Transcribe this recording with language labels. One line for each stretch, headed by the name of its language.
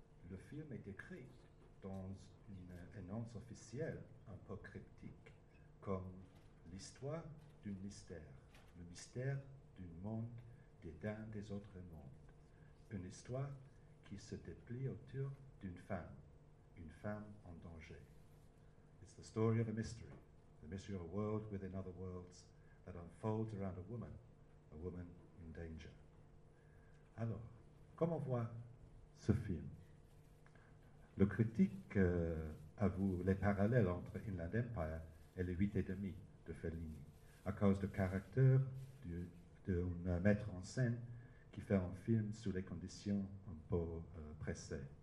French: Le film est écrit dans une annonce officielle un peu cryptique comme l'histoire d'un mystère, le mystère d'un monde dédain des autres mondes. Une histoire qui se déplie autour d'une femme, une femme en danger.
English: It's the story of a mystery, the mystery of a world within other worlds that unfolds around a woman in danger.
French: Alors, comment voir ce film? Le critique avoue les parallèles entre Inland Empire et les 8 et demi de Fellini à cause du caractère d'un metteur en scène qui fait un film sous les conditions un peu pressées.